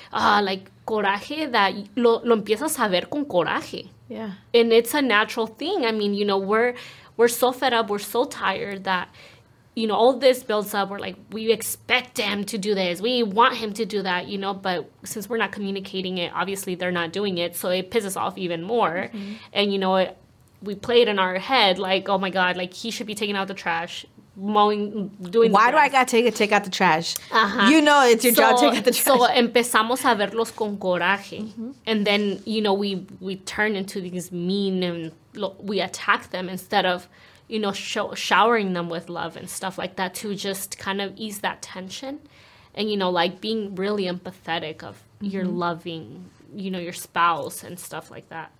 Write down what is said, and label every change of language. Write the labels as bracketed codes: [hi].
[es] Like, coraje that lo empiezas a ver con coraje. [en] Yeah. And it's a natural thing. I mean, you know, we're so fed up. We're so tired that, you know, all this builds up. We're like, we expect him to do this. We want him to do that, you know. But since we're not communicating it, obviously they're not doing it. So it pisses off even more. Mm-hmm. And, you know, we play it in our head. Like, oh, my God, like, he should be taking out the trash, mowing, doing the trash. Why do I got to take out the trash? Uh-huh. You know it's your job to take out the trash. [es] So empezamos a verlos con coraje. [en] Mm-hmm. And then, you know, we turn into these mean and we attack them instead of, you know, showering them with love and stuff like that to just kind of ease that tension. And, you know, like, being really empathetic of mm-hmm. your loving, you know, your spouse and stuff like that.